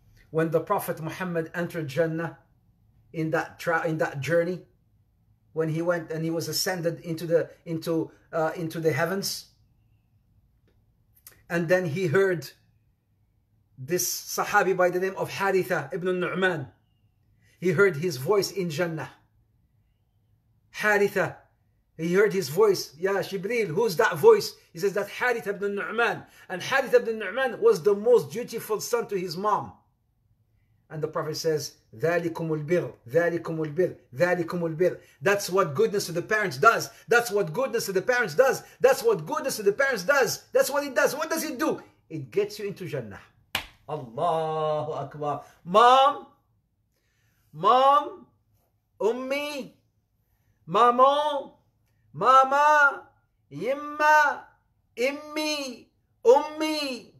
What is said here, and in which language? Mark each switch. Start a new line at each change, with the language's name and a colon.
English: When the Prophet Muhammad entered Jannah in that journey, when he went and he was ascended into the heavens, and then he heard this Sahabi by the name of Haritha ibn Nu'man. He heard his voice in Jannah. Haritha, he heard his voice. Ya Shibril, who's that voice? He says that Haritha ibn Nu'man. And Haritha ibn Nu'man was the most dutiful son to his mom.
Arabic: And the Prophet says, ذَلِكُمُ الْبِرْ ذَلِكُمُ الْبِرْ ذَلِكُمُ الْبِرْ.
English: That's what goodness to the parents does. That's what goodness to the parents does. That's what goodness to the parents does. That's what it does. What does it do? It gets you into Jannah. Allahu Akbar. Mom. Mom. Ummi. Maman. Mama. Yimma. Immi. Ummi.